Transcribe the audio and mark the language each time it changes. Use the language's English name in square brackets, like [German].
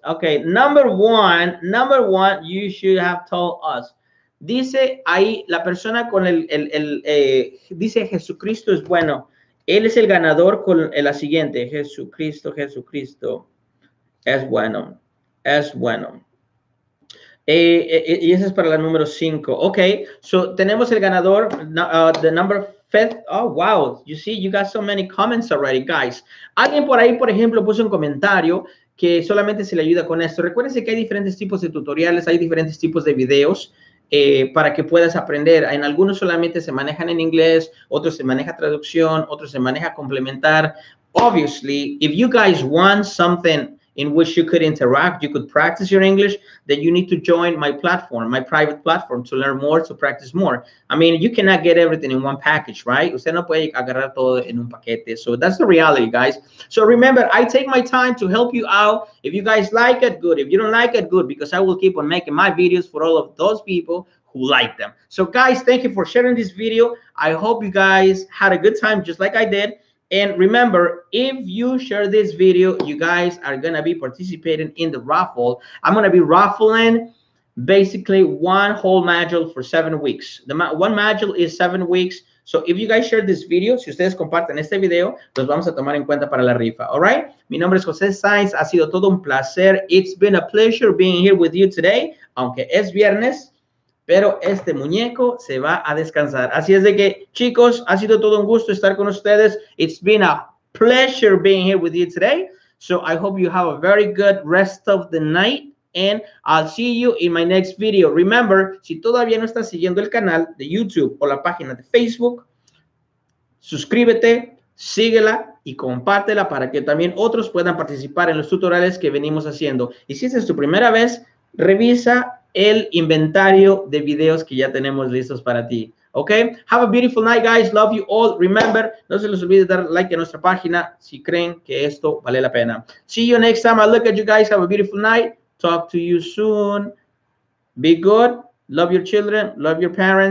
[English] Okay, number one, you should have told us. [Spanish] Dice ahí la persona con dice Jesucristo es bueno. Él es el ganador con la siguiente. Jesucristo es bueno. Y esa es para la número 5. Ok, so tenemos el ganador, [English] the number 5. Oh, wow, you see, you got so many comments already, guys. [Spanish] Alguien por ahí, por ejemplo, puso un comentario que solamente se le ayuda con esto. Recuérdense que hay diferentes tipos de tutoriales, hay diferentes tipos de videos para que puedas aprender. En algunos solamente se manejan en inglés, otros se maneja traducción, otros se maneja complementar. [English] Obviously, if you guys want something in which you could interact, you could practice your English, then you need to join my platform, my private platform, to learn more, to practice more. I mean, you cannot get everything in one package, right? [Spanish] Usted no puede agarrar todo en un paquete. [English] So that's the reality, guys. So remember, I take my time to help you out. If you guys like it, good. If you don't like it, good, because I will keep on making my videos for all of those people who like them. So guys, thank you for sharing this video. I hope you guys had a good time just like I did. And remember, if you share this video, you guys are going to be participating in the raffle. I'm going to be raffling basically one whole module for 7 weeks. One module is 7 weeks. So if you guys share this video, [Spanish] si ustedes comparten este video, los vamos a tomar en cuenta para la rifa. [English] All right? [Spanish] Mi nombre es José Sainz. Ha sido todo un placer. [English] It's been a pleasure being here with you today. [Spanish] Aunque es viernes, pero este muñeco se va a descansar. Así es de que, chicos, ha sido todo un gusto estar con ustedes. [English] It's been a pleasure being here with you today. So I hope you have a very good rest of the night. And I'll see you in my next video. [Spanish] Remember, si todavía no estás siguiendo el canal de YouTube o la página de Facebook, suscríbete, síguela y compártela para que también otros puedan participar en los tutoriales que venimos haciendo. Y si esta es tu primera vez, revisa el inventario de videos que ya tenemos listos para ti. Ok, [English] have a beautiful night, guys. Love you all. [Spanish] Remember, no se les olvide dar like a nuestra página si creen que esto vale la pena. [English] See you next time. I look at you guys. Have a beautiful night. Talk to you soon. Be good. Love your children. Love your parents.